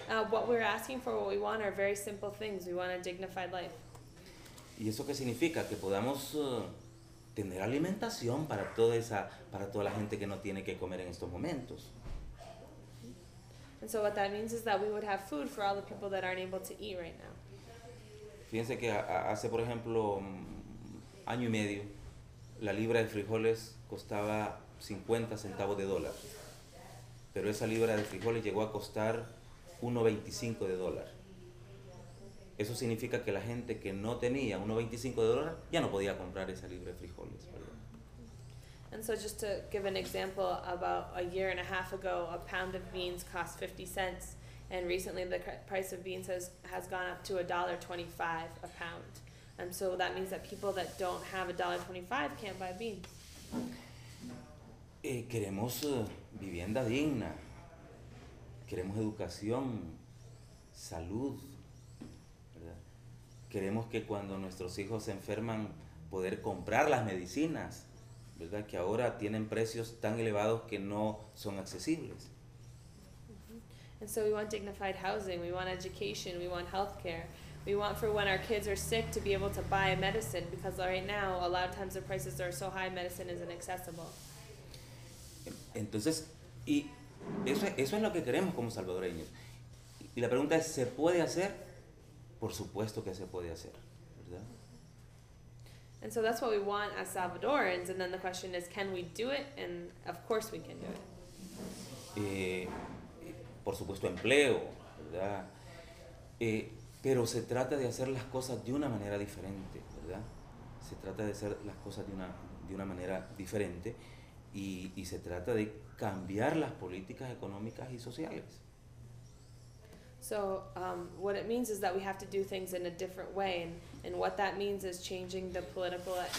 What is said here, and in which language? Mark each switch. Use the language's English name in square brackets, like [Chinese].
[English] What we're asking for, what we want, are very simple things. We want a dignified life. [Spanish] ¿Y eso qué significa? Que podamos tener alimentación para toda la gente que no tiene que comer en estos momentos. [English] And so what that means is that we would have food for all the people that aren't able to eat right now. [Spanish] Fíjense que hace, por ejemplo, año y medio, la libra de frijoles costaba 50 centavos de dólar. Pero esa libra de frijoles llegó a costar 1.25 de dólar. Eso significa que la gente que no tenía 1.25 de dólar ya no podía comprar esa libra de frijoles, ¿verdad? [English] And so just to give an example, about a year and a half ago, a pound of beans cost 50 cents, and recently the price of beans has gone up to $1.25 a pound. And so that means that people that don't have $1.25 can't buy beans. [Spanish] Queremos vivienda digna. Queremos educación, salud, ¿verdad? Queremos que cuando nuestros hijos se enferman, poder comprar las medicinas, ¿verdad? Que ahora tienen precios tan elevados que no son accesibles. [English] Mm-hmm. And so we want dignified housing, we want education, we want healthcare. We want for when our kids are sick to be able to buy medicine, because right now, a lot of times the prices are so high, medicine isn't accessible. [Spanish] Entonces, Eso es lo que queremos como salvadoreños. Y la pregunta es, ¿se puede hacer? Por supuesto que se puede hacer, ¿verdad? [English] And so that's what we want as Salvadorans, and then the question is, can we do it? And of course we can do it. [Spanish] Por supuesto, empleo, ¿verdad? Pero se trata de hacer las cosas de una manera diferente, ¿verdad? Se trata de hacer las cosas de una manera diferente. Y se trata de cambiar las políticas económicas y sociales. [English] So, what it means is that we have to do things in a different way, and what that means is changing the political.